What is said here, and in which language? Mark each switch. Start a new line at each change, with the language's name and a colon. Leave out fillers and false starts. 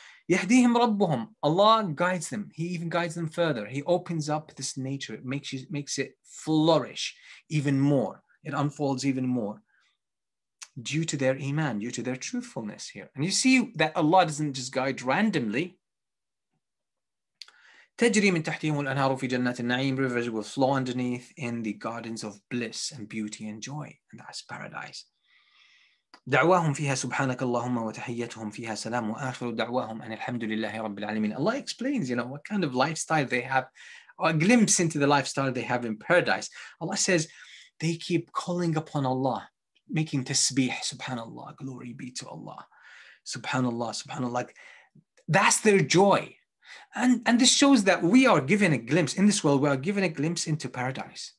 English: Yahdihim rabbuhum, Allah guides them. He even guides them further. He opens up this nature. It makes it flourish even more. It unfolds even more due to their iman, due to their truthfulness here. And you see that Allah doesn't just guide randomly.
Arabic: تجري من تحتهم الأنهار في جنات النعيم.
English: Rivers will flow underneath in the gardens of bliss and beauty and joy. And that's paradise.
Arabic: دعواهم فيها سبحانك اللهم وتحياتهم فيها سلام وآخر دعواهم أن الحمد لله رب العالمين.
English: Allah explains, you know, what kind of lifestyle they have, or a glimpse into the lifestyle they have in paradise. Allah says, they keep calling upon Allah, making tasbih, subhanallah, glory be to Allah, subhanallah, subhanallah. Like, that's their joy. And this shows that we are given a glimpse in this world. We are given a glimpse into paradise.